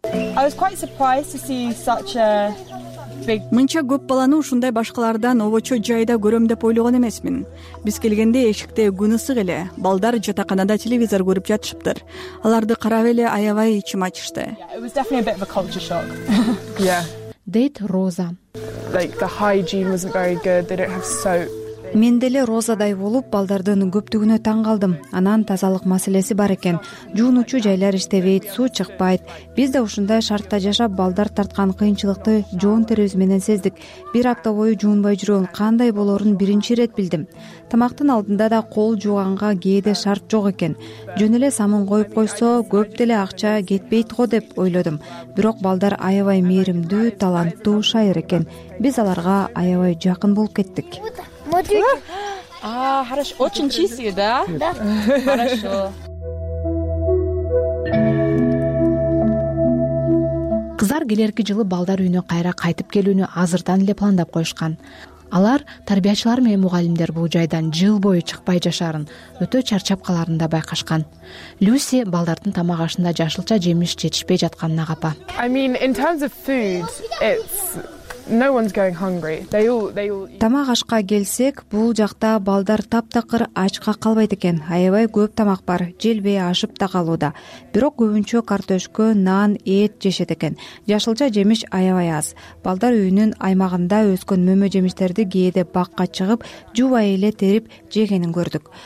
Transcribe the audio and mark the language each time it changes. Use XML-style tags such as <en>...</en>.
<en>I was quite surprised to see such a big</en> <ky>Мынча көп баланы ушундай башкалардан обочо жайда көрөм деп ойлогон эмесмин. Биз келгенде эшикте күн ысык эле, балдар жатаканада телевизор көрүп жатышыптыр. Аларды карап эле аябай ичим ачышты.</ky> <en>It was definitely a bit of a culture shock. Yeah.</en> <ky>Дейт Роза.</ky> <en>Like the hygiene wasn't very good. They don't have soap.</en> <ky>Мен деле розадай болуп, балдардын көптүгүнө таң калдым. Анан тазалык маселеси бар экен. Жуунуучу жайлар иштебейт, суу чыкпайт. Биз да ушундай шартта жашап, балдар тарткан кыйынчылыкты жоон терибиз менен сездик. Бир апта бою жуунбай жүрөн кандай болорун биринчи ирет билдим. Тамактын алдында да кол жууганга кээде шарт жок экен. Жөн эле самын коюп койсо, көп деле акча кетпейт го деп ойлодум. Бирок балдар аябай мээримдүү, таланттуу шайыр экен. Биз аларга аябай жакын болуп кеттик.</ky> <ru>А, хорошо. Очень чистые, да? Да. Хорошо.</ru> <ky>Кызлар келерки жылы балдар үйүнө кайра кайтып келүүнү азырдан эле пландап коюшкан. Алар тарбиячылар менен мугалимдер бул жайдан жыл бою чыкпай жашарын, өтө чарчап каларын да байкашкан. Люси балдардын тамак ашында жашылча жемиш жетишпей жатканына капа.</ky> <en>I mean, in terms of food, it's No one's going hungry. They all</en> <ky>Тамак ашка келсек, бул жакта балдар таптакыр ачка калбайт экен. Аябай көп тамак бар, желбей ашып да калууда. Бирок көбүнчө картөшкө, нан, эт жешет экен. Жашылча жемиш аябай аз. Балдар үйүнүн аймагында өскөн мөмө жемиштерди кээде бакка чыгып, жубайы эле терип жегенин көрдүк.</ky>